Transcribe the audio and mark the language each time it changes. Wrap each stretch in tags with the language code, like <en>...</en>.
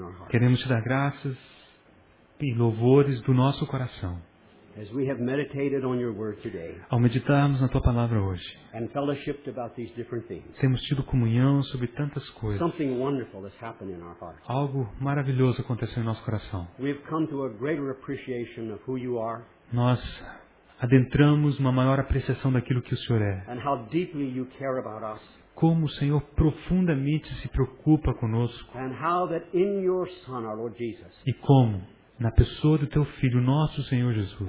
<pt>Queremos te dar graças e louvores do nosso coração.</pt> <en>As we have meditated on your word today,</en> <pt>ao meditarmos na tua palavra hoje,</pt> <en>and fellowshiped about these different things,</en> <pt>temos tido comunhão sobre tantas coisas.</pt> <en>Something wonderful has happened in our hearts.</en> <pt>Algo maravilhoso aconteceu em nosso coração.</pt> <en>We have come to a greater appreciation of who you are.</en> <pt>Nós adentramos uma maior apreciação daquilo que o Senhor é.</pt> <en>And how deeply you care about us.</en> <pt>Como o Senhor profundamente se preocupa conosco.</pt> <en>And how that in your Son, our Lord Jesus,</en> <pt>e como na pessoa do Teu Filho, nosso Senhor Jesus,</pt>